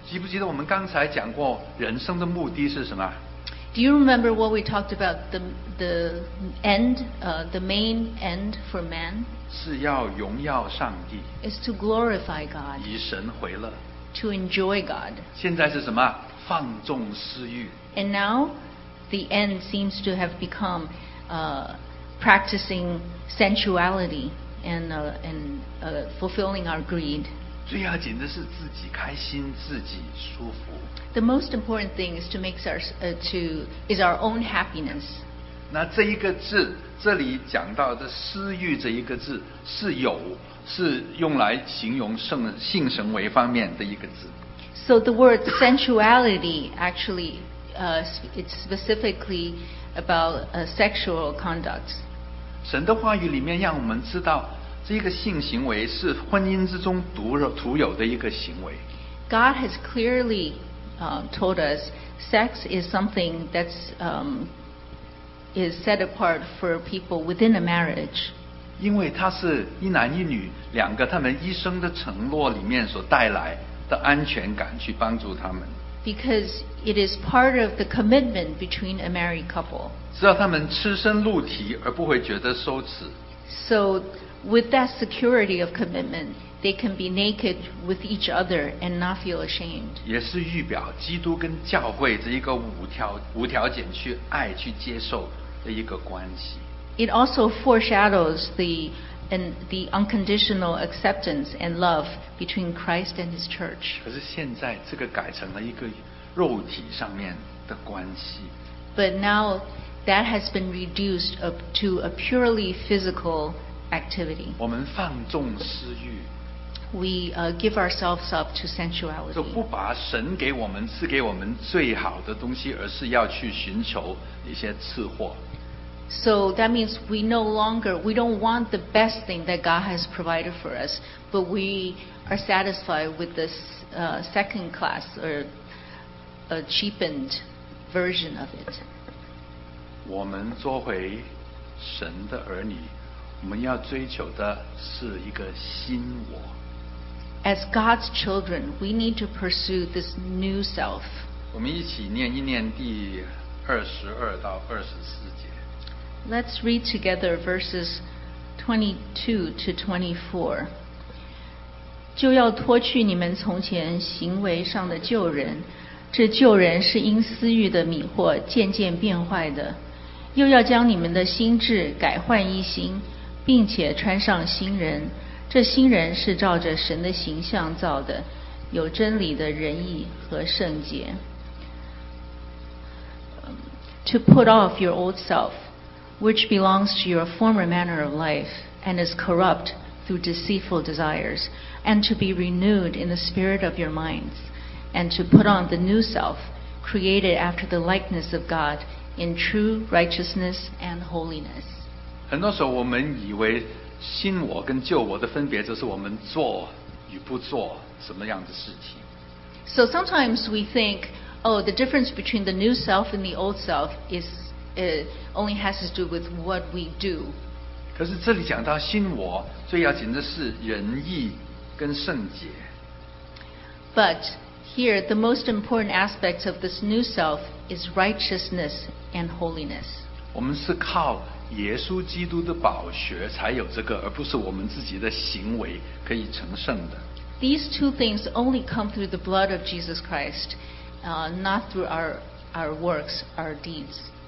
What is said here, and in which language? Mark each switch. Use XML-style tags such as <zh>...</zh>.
<zh>记不记得我们刚才讲过人生的目的是什么？</zh> <en>Do you remember what we talked about, the end, the main end for man?</en> <zh>是要荣耀上帝。</zh> <en>Is to glorify God.</en> <zh>以神为乐。</zh> <en>To enjoy God.</en> <zh>现在是什么？放纵私欲。</zh> <en>And now, the end seems to have become practicing sensuality and fulfilling our greed.</en> <zh>最要紧的是自己开心，自己舒服。</zh> <en>The most important thing is to make is our own happiness.</en> <zh>那这一个字，这里讲到的私欲这一个字，是用来形容性行为方面的一个字。</zh> <en>So the word sensuality actually, it's specifically about sexual conduct.</en> <zh>神的话语里面让我们知道，这个性行为是婚姻之中独有的一个行为。</zh> <en>God has clearly told us sex is something that's is set apart for people within a marriage.</en> <zh>因为它是一男一女两个他们一生的承诺里面所带来的安全感去帮助他们。</zh> <en>Because it is part of the commitment between a married couple.</en> <zh>只要他们赤身露体而不会觉得羞耻。</zh> <en>So with that security of commitment,they can be naked with each other and not feel ashamed.</en> <zh>也是预表基督跟教会这一个无条件去爱去接受的一个关系。</zh> <en>It also foreshadows the unconditional acceptance and love between Christ and His church.</en> <zh>可是现在这个改成了一个肉体上面的关系。</zh> <en>But now that has been reduced to a purely physical activity.</en> <zh>我们放纵私欲。</zh> <en>We give ourselves up to sensuality.</en> <zh>就不把神给我们赐给我们最好的东西，而是要去寻求一些次货。</zh> <en>So that means we no longer, we don't want the best thing that God has provided for us, but we are satisfied with this second class or a cheapened version of it.</en> <zh>我们作为神的儿女，我们要追求的是一个新我。</zh> <en>As God's children, we need to pursue this new self.</en> <zh>我们一起念一念第二十二到二十四节。</zh> <en>Let's read together verses 22 to 24.</en> <zh>就要脱去你们从前行为上的旧人，这旧人是因私欲的迷惑渐渐变坏的，又要将你们的心智改换一新，并且穿上新人，这新人是照着神的形象造的，有真理的仁义和圣洁。</zh> <en>To put off your old self, which belongs to your former manner of life, and is corrupt through deceitful desires, and to be renewed in the spirit of your minds, and to put on the new self, created after the likeness of God, in true righteousness and holiness.</en> <zh>很多时候我们以为新我跟旧我的分别就是我们做与不做什么样的事情。</zh> <en>So sometimes we think, oh, the difference between the new self and the old self is only has to do with what we do.</en> <zh>可是这里讲到新我，最要紧的是仁义跟圣洁。</zh> <en>But here, the most important aspect of this new self is righteousness and holiness.</en> <zh>我们是靠耶稣基督的宝血才有这个，而不是我们自己的行为可以成圣的。</zh> <en>These two things only come through the blood of Jesus Christ, not through our works, our deeds.</en>